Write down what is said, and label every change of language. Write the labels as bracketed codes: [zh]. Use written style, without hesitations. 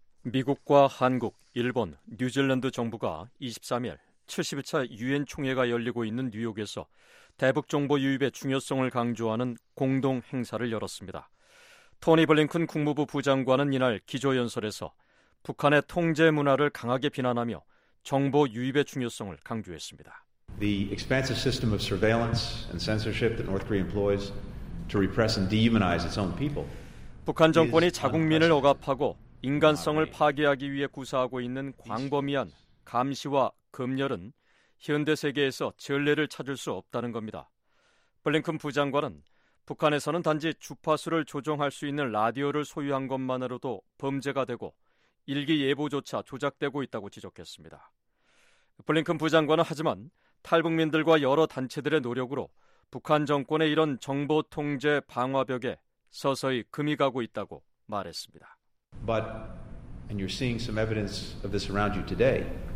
[ko] 미국과 한국, 일본, 뉴질랜드 정부가 23일 71차 유엔 총회가 열리고 있는 뉴욕에서 대북 정보 유입의 중요성을 강조하는 공동 행사를 열었습니다. 토니 블링컨 국무부 부장관은 이날 기조연설에서 북한의 통제 문화를 강하게 비난하며 정보 유입의 중요성을 강조했습니다. [en] The expansive system of surveillance and censorship that North Korea employs to repress and dehumanize its own people. [ko] 북한 정권이 자국민을 억압하고 인간성을 파괴하기 위해 구사하고 있는 광범위한 감시와 검열은 현대 세계에서 전례를 찾을 수 없다는 겁니다. 블링컨 부장관은 북한에서는 단지 주파수를 조정할 수 있는 라디오를 소유한 것만으로도 범죄가 되고 일기 예보조차 조작되고 있다고 지적했습니다. 블링컨 부장관은 하지만 탈북민들과 여러 단체들의 노력으로 북한 정권의 이런 정보 통제 방화벽에 서서히 금이 가고 있다고 말했습니다. [en] But and you're seeing some evidence of this around you today.